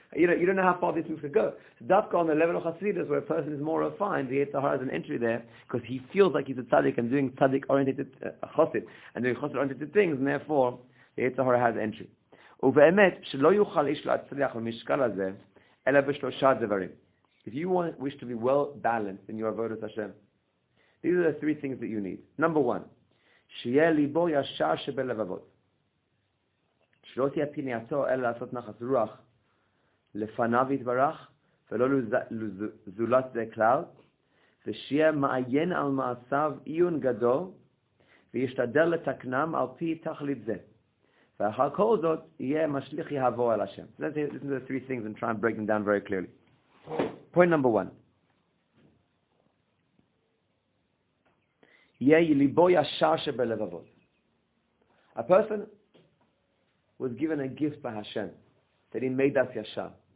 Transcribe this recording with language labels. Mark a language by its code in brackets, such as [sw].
[en] You know, you don't know how far these things could go. So dafka on the level of chassidus, where a person is more refined, the Yetzer Hara has an entry there because he feels like he's a tzaddik and doing tzaddik oriented chassid and doing chassid oriented things, and therefore the Yetzer Hara has entry. [he] Uve'emet shelo yuchal ish la'atzliach l'mishkal hazeh אלא בשלושה דברים. [en] If you want, wish to be well balanced in your avodas Hashem, these are the three things that you need. Number one, [he] שיהיה ליבו ישר שבלבבות. שלא תהיה פנייתו אלא לעשות נחת רוח לפניו יתברך, ולא לזולת זה כלל, ושיהיה מעיין על מעשיו עיון גדול, וישתדל לתקנם על פי תכלית זה. ואחר כל זאת, יהיה משליך יהבו על השם. [en] So let's listen to the three things and try and break them down very clearly. Point number one. [he] יהיה ליבו ישר שבלבבות. [en] A person was given a gift by Hashem, that he made us yashar.